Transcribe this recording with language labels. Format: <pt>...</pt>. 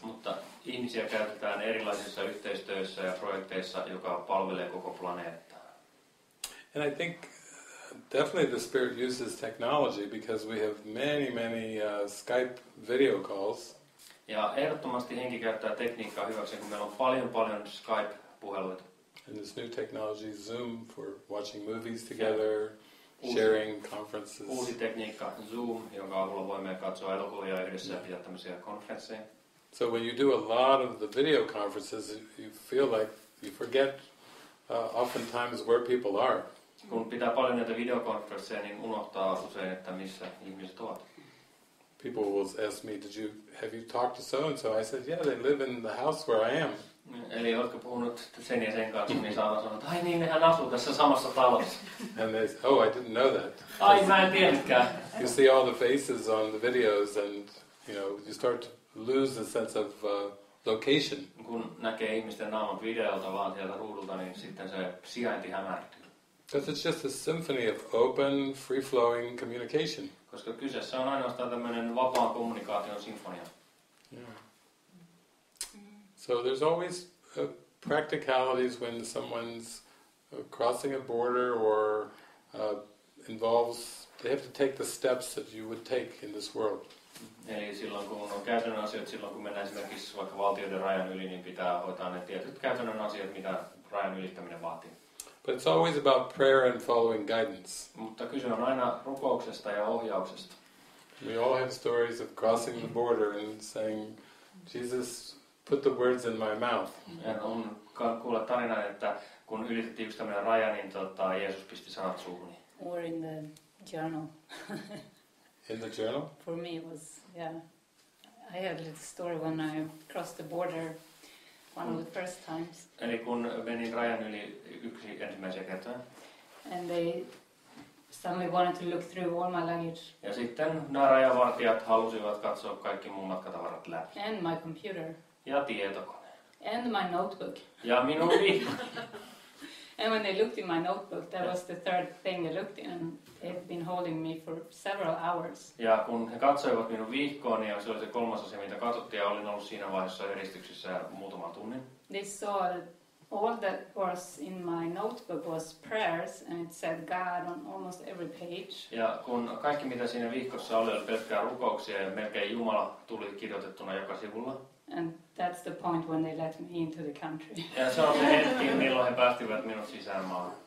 <fi>Mutta ihmisiä käytetään erilaisissa yhteistyössä ja projekteissa, joka palvelee koko planeettaa.</fi> <en>And I think definitely the spirit uses technology because we have many Skype video calls.</en> <fi>Ja ehdottomasti henki käyttää tekniikkaa hyväksi, kun meillä on paljon Skype puheluita.</fi> <en>And this new technology Zoom for watching movies together. Sharing conferences.</en> <fi>Uusi tekniikka Zoom, jonka avulla voimme katsoa elokuvia yhdessä ja pitää tämmöisiä konferensseja.</fi> <en>So when you do a lot of the video conferences, you feel like you forget oftentimes where people are.</en> <fi>Kun pitää paljon näitä videokonferensseja, niin unohtaa usein, että missä ihmiset ovat.</fi> <en>People will ask me, have you talked to so-and-so? I said, yeah, they live in the house where I am.</en> <fi>Eli oletko puhunut sen ja sen kanssa, niin saa sanoa, että ai niin, nehän asuu tässä samassa talossa.</fi> <en>And they say, oh, I didn't know that.</en> <fi>Ai, mä en tiedäkään.</fi> <en>You see all the faces on the videos and, you know, you start to lose the sense of location.</en> <fi>Kun näkee ihmisten naamat videolta vaan sieltä ruudulta, niin sitten se sijainti hämärtyy.</fi> <en>Because it's just a symphony of open, free-flowing communication.</en> <fi>Koska kyseessä on ainoastaan tämmöinen vapaan kommunikaation sinfonia.</fi> <en>So there's always practicalities when someone's crossing a border or involves, they have to take the steps that you would take in this world.</en> <fi>Eli silloin kun on käytännön asiat, silloin kun mennään esimerkiksi vaikka valtioiden rajan yli, niin pitää hoitaa ne tietyt käytännön asiat, mitä rajan ylittäminen vaatii.</fi> <en>But it's always about prayer and following guidance.</en> <fi>Mutta kyse on aina rukouksesta ja ohjauksesta.</fi> <en>We all have stories of crossing the border and saying, Jesus, put the words in my mouth.</en> <fi>On kuulla tarina, että kun ylitettiin yksi tämmöinen raja, niin Jeesus pisti sanat suuhuni.</fi> <en>Or in the journal. In the journal? For me it was, yeah. I had a little story when I crossed the border one of the first times.</en> <fi>Eli kun menin rajan yli yksi ensimmäisiä kertaa.</fi> <en>And they suddenly wanted to look through all my luggage.</en> <fi>Ja sitten nämä rajavartijat halusivat katsoa kaikki mun matkatavarat läpi.</fi> <en>And my computer.</en> <fi>Ja tietokone.</fi> <en>And my notebook.</en> <fi>Ja minun vihdoin.</fi> <en>And when they looked in my notebook, that was the third thing they looked in, and they've been holding me for several hours.</en> <fi>Ja kun he katsoivat minun vihkooni, ja se oli se kolmas asia, mitä katsottiin, ja olin ollut siinä vaiheessa eristyksissä muutaman tunnin.</fi> <en>They saw that all that was in my notebook was prayers, and it said God on almost every page.</en> <fi>Ja kun kaikki, mitä siinä vihkossa oli pelkkää rukouksia, ja melkein Jumala tuli kirjoitettuna joka sivulla.</fi> <en>And that's the point when they let me into the country.</en> <fi>Ja se on se hetki, milloin he päästivät minut sisään maahan.</fi>